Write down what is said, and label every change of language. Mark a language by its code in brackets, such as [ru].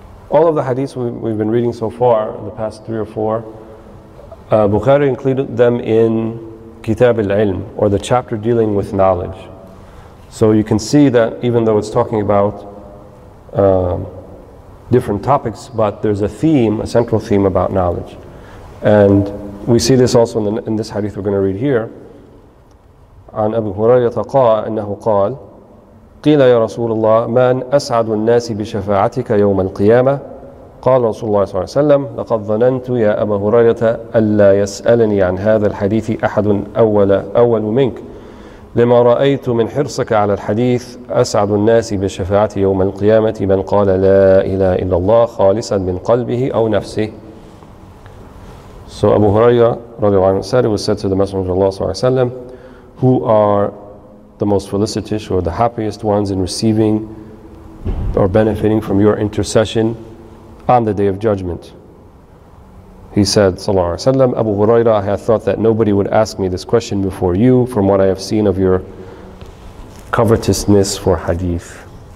[en] All of the hadiths we've been reading so far, the past three or four, Bukhari included them in Kitab al-Ilm, or the chapter dealing with knowledge. So you can see that even though it's talking about different topics, but there's a theme, a central theme about knowledge. And we see this also in this hadith we're going to read here. [ar] عن أبي هريرة قال أنه قال قيل يا رسول الله من أسعد الناس بشفاعتك يوم القيامة قال رسول الله صلى الله عليه وسلم لقد ظننت يا أبا هريرة ألا يسألني عن هذا الحديث أحد أول منك لما رأيت من حرصك على الحديث أسعد الناس بشفاعتي يوم القيامة من قال لا إله إلا الله خالصا من قلبه أو نفسه. [en] So Abu Huraira [ar] رضي الله عنه [en] said, was said to the Messenger of Allah [ar] صلى الله عليه وسلم, [en] who are the most felicitous or the happiest ones in receiving or benefiting from your intercession on the Day of Judgment? He said, Sallallahu Alaihi Wasallam, Abu Huraira, I had thought that nobody would ask me this question before you from what I have seen of your covetousness for hadith.